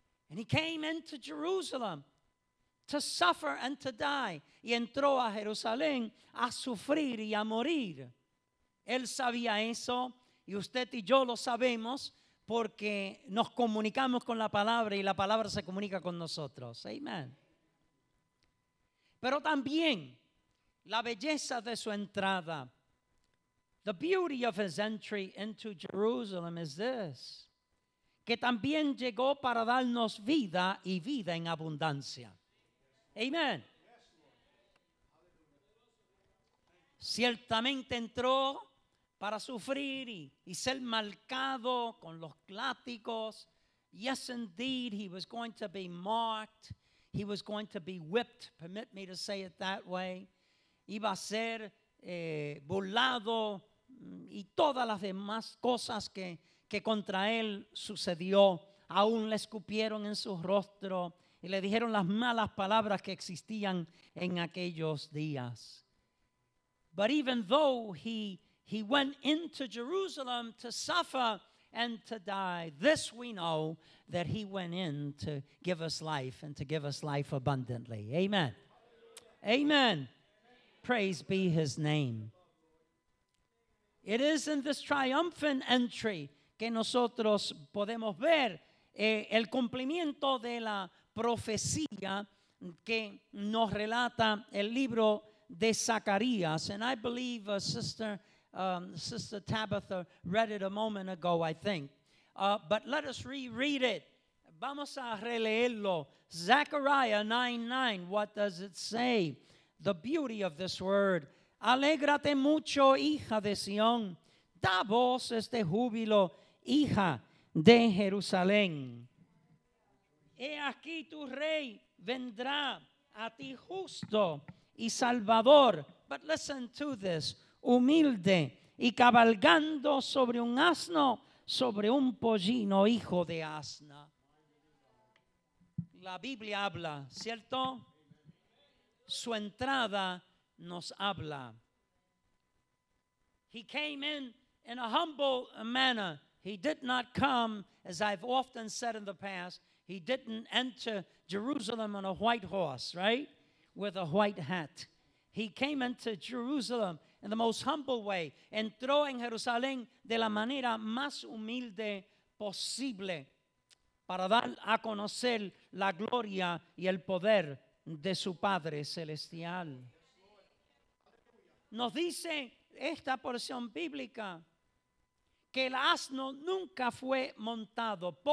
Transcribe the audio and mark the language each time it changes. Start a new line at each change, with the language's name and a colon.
English: And he came into Jerusalem to suffer and to die.
Spanish: Y entró a Jerusalén a sufrir y a morir. Él sabía eso, y usted y yo lo sabemos porque nos comunicamos con la palabra y la palabra se comunica con nosotros. Amén. Pero también la belleza de su entrada.
English: The beauty of his entry into Jerusalem is this.
Spanish: Que también llegó para darnos vida y vida en abundancia. Amén. Ciertamente entró para sufrir y ser marcado con los látigos.
English: Yes, indeed, he was going to be marked. He was going to be whipped. Permit me to say it that way.
Spanish: Iba a ser burlado y todas las demás cosas que contra él sucedió. Aún le escupieron en su rostro y le dijeron las malas palabras que existían en aquellos días.
English: But even though he went into Jerusalem to suffer and to die, this we know, that he went in to give us life and to give us life abundantly. Amen. Hallelujah. Amen. Praise be his name. It is in this triumphant entry
Spanish: que nosotros podemos ver el cumplimiento de la profecía que nos relata el libro de Zacarías.
English: And I believe Sister Tabitha read it a moment ago, I think. But let us reread it.
Spanish: Vamos a releerlo.
English: Zechariah 9:9. What does it say? The beauty of this word,
Spanish: Alégrate mucho, hija de Sión. Da voces de júbilo, hija de Jerusalén. He aquí tu rey vendrá a ti justo y salvador.
English: But listen to this.
Spanish: Humilde y cabalgando sobre un asno, sobre un pollino, hijo de asna. La Biblia habla, ¿cierto? Su entrada nos habla.
English: He came in a humble manner. He did not come, as I've often said in the past, he didn't enter Jerusalem on a white horse, right? With a white hat. He came into Jerusalem in the most humble way.
Spanish: Entró en Jerusalén de la manera más humilde posible para dar a conocer la gloria y el poder de su Padre Celestial. Nos dice esta porción bíblica que el asno nunca fue montado.